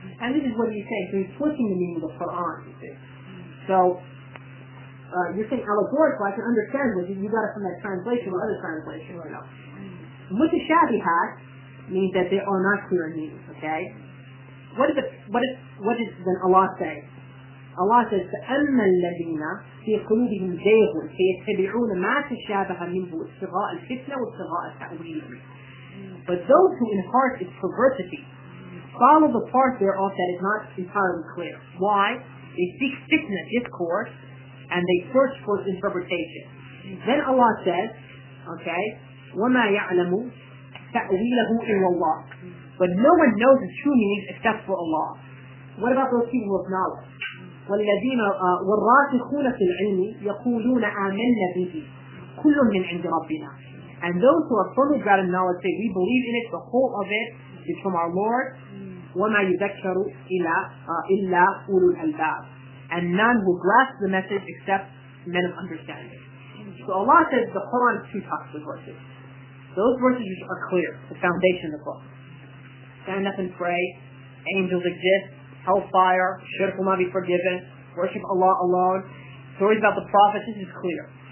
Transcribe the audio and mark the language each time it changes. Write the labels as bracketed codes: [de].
[en] And this is what he's saying. So he's twisting the meaning of the Quran, you see. So, you're saying allegorical. I can understand what you got it from that translation or other translation, or no. Mutashabihat means that they are not clear in meaning, okay? What does Allah say? Allah says, [ar] فَأَمَّا الَّذِينَ فِي قُلُوبِهِمْ زَيْغٌ فَيَتَّبِعُونَ مَا تَشَابَهَ مِنْهُ وَاسْتِغَاءَ الْفِتْنَةِ وَاسْتِغَاءَ التَّأْوِيلِ. [en] But those who in heart is perversity, follow the part thereof that is not entirely clear. Why? They seek fitna, discourse, and they search for interpretation. Then Allah says, okay, [ar] وَمَا يَعْلَمُ تَأْوِيلَهُ إِلَّا اللَّهُ. [en] But no one knows the true meaning except for Allah. What about those people of knowledge? [ar] والذين والراسخون في العلم يقولون آمنا به كل من عند ربنا. [en] And those who are firmly grounded in knowledge say, we believe in it, the whole of it is from our Lord. [ar] وما يذكر إلا أولو الألباب. [en] And none will grasp the message except men of understanding. So Allah says the Quran is two types of verses. Those verses are clear, the foundation of the book. Stand up and pray, angels exist, hellfire, shirk will not be forgiven, worship Allah alone, stories about the prophets, this is clear.